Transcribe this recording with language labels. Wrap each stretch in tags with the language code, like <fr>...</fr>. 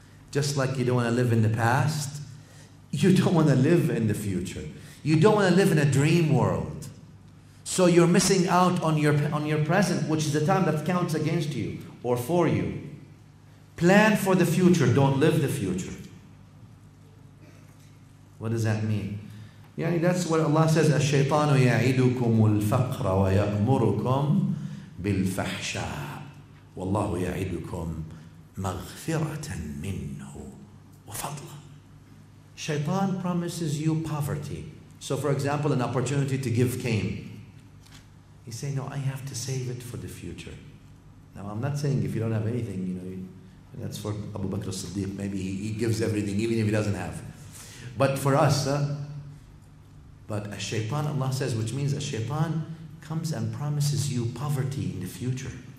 <en>Just like you don't want to live in the past, you don't want to live in the future. You don't want to live in a dream world. So you're missing out on your present, which is the time that counts against you or for you. Plan for the future, don't live the future. What does that mean?</en> <ar>Yani</ar> <en>that's what Allah says,</en> <ar>الشَّيْطَانُ يَعِدُكُمُ الْفَقْرَ وَيَأْمُرُكُمْ بِالْفَحْشَاءِ وَاللَّهُ يَعِدُكُمْ مَغْفِرَةً مِنْهُ وَفَضْلًا.</ar> <en>Shaytan promises you poverty. So for example, an opportunity to give came. He say, no, I have to save it for the future. Now I'm not saying if you don't have anything, you know, that's for Abu Bakr as-Siddiq. Maybe he gives everything, even if he doesn't have. But for us, but a shaytan, Allah says, which means a shaytan comes and promises you poverty in the future.</en>